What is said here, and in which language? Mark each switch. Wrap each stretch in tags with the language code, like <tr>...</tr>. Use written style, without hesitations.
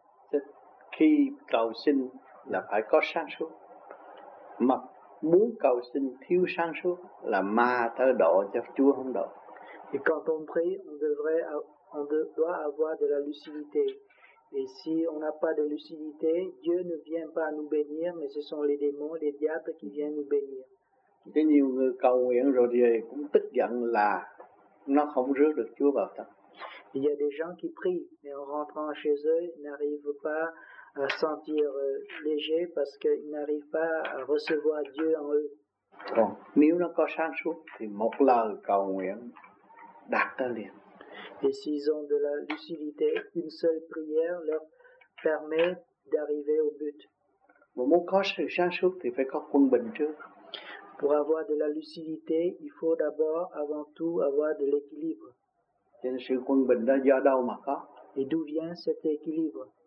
<fr>c'est qui</fr> <vi>cầu xin là phải có sáng suốt. Mà muốn cầu xin thiếu sáng suốt là ma tới độ cho Chúa không độ.</vi> <fr>Et quand on prie, on doit avoir de la lucidité. Et si on n'a pas de lucidité, Dieu ne vient pas nous bénir, mais ce sont les démons, les diables qui viennent nous bénir.</fr> <vi>Nhiều người cầu nguyện rồi thì cũng tức giận là nó không rước được Chúa vào tâm.</vi> <fr>Il y a des gens qui prient, mais en rentrant chez eux, ils n'arrivent pas à sentir léger parce qu'ils n'arrivent pas à recevoir Dieu en eux.</fr> <vi>Còn nếu nó có sáng suốt, thì một lời cầu nguyện đạt tới liền.</vi> <fr>Et s'ils ont de la lucidité, une seule prière leur permet d'arriver au but. Pour avoir de la lucidité, il faut d'abord, avant tout, avoir de l'équilibre. Et d'où vient cet équilibre?</fr>